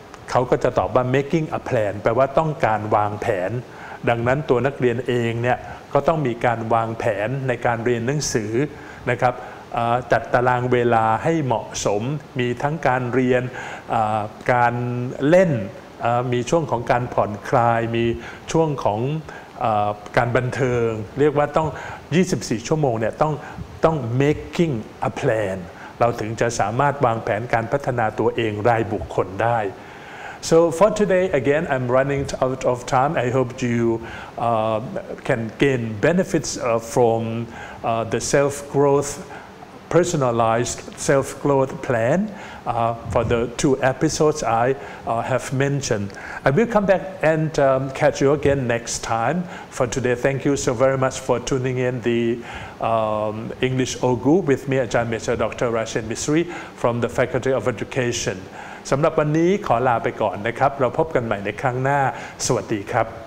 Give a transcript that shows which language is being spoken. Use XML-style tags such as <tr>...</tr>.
<th>เขาก็จะตอบว่า</th> <en>making a plan</en> <th>แปลว่าต้องการวางแผนดังนั้นตัวนักเรียนเองเนี่ยก็ต้องมีการวางแผนในการเรียนหนังสือนะครับจัดตารางเวลาให้เหมาะสมมีทั้งการเรียนการเล่นมีช่วงของการผ่อนคลายมีช่วงของ การบันเทิงเรียกว่าต้อง24ชั่วโมงเนี่ยต้อง</th> <en>making a plan</en> <th>เราถึงจะสามารถวางแผนการพัฒนาตัวเองรายบุคคลได้</th> <en>So for today, again, I'm running out of time. I hope you can gain benefits from the self-growth, personalized self-growth plan for the two episodes I have mentioned. I will come back and catch you again next time. For today, thank you so very much for tuning in the English Ogu with me, Ajahn Mr. Dr.</en> <th>Rashid Misri</th> <en>from the Faculty of Education.</en> <th>สำหรับวันนี้ขอลาไปก่อนนะครับเราพบกันใหม่ในครั้งหน้าสวัสดีครับ</th>